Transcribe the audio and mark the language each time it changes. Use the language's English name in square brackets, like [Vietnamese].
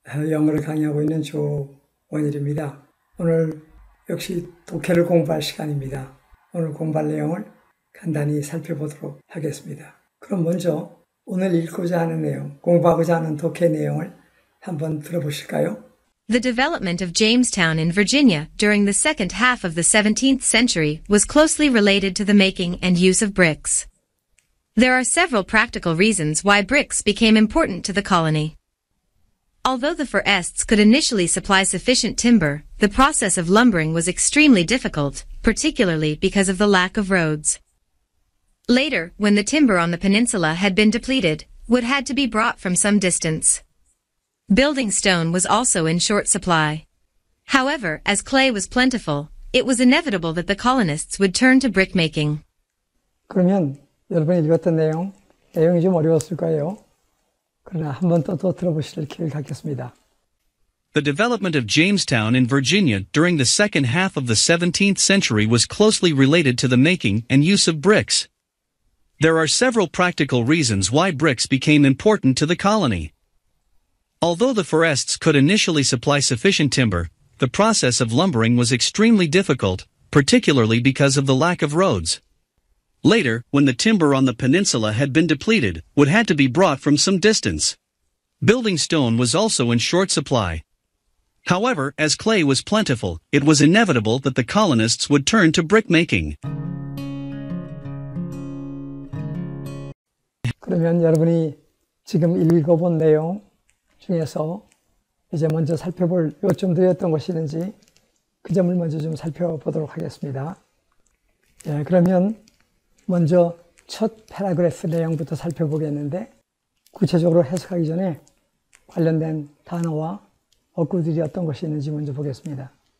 [Korean] 영어를 강의하고 있는 조원일입니다. 오늘 역시 독해를 공부할 시간입니다. 오늘 공부할 내용을 간단히 살펴보도록 하겠습니다. 그럼 먼저 오늘 읽고자 하는 내용, 공부하고자 하는 독해 내용을 한번 들어보실까요? [English] The development of Jamestown in Virginia during the second half of the 17th century was closely related to the making and use of bricks. There are several practical reasons why bricks became important to the colony. Although the forests could initially supply sufficient timber, the process of lumbering was extremely difficult, particularly because of the lack of roads. Later, when the timber on the peninsula had been depleted, wood had to be brought from some distance. Building stone was also in short supply. However, as clay was plentiful, it was inevitable that the colonists would turn to brickmaking. [Korean] 그러면 여러분이 읽었던 내용이 좀 어려웠을 거예요. 그러나 한 번 더 들어보실 기회를 갖겠습니다. [English] The development of Jamestown in Virginia during the second half of the 17th century was closely related to the making and use of bricks. There are several practical reasons why bricks became important to the colony. Although the forests could initially supply sufficient timber, the process of lumbering was extremely difficult, particularly because of the lack of roads. Later, when the timber on the peninsula had been depleted, wood had to be brought from some distance. Building stone was also in short supply. However, as clay was plentiful, it was inevitable that the colonists would turn to brickmaking. [Korean] 그러면 여러분이 지금 읽어본 내용 중에서 이제 먼저 살펴볼 요점들이었던 것이든지 그 점을 먼저 좀 살펴보도록 하겠습니다. 예, 그러면 먼저 첫 패러그래프 내용부터 살펴보겠는데 구체적으로 해석하기 전에 관련된 단어와 어구들이 어떤 것이 있는지 먼저 보겠습니다.